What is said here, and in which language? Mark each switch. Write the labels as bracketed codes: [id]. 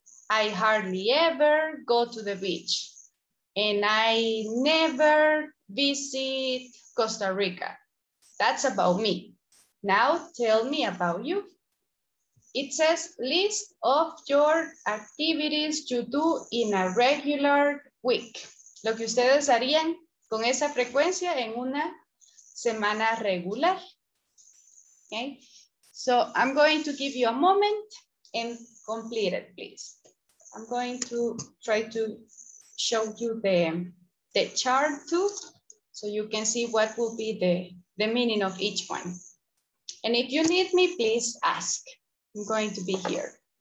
[en] I hardly ever go to the beach. And I never visit Costa Rica. That's about me. Now tell me about you. It says list of your activities you do in a regular week. [es] Lo que ustedes harían con esa frecuencia en una semana regular. [en] Okay. So I'm going to give you a moment and complete it, please. I'm going to try to show you the chart too, so you can see what will be the meaning of each one. And if you need me, please ask. I'm going to be here.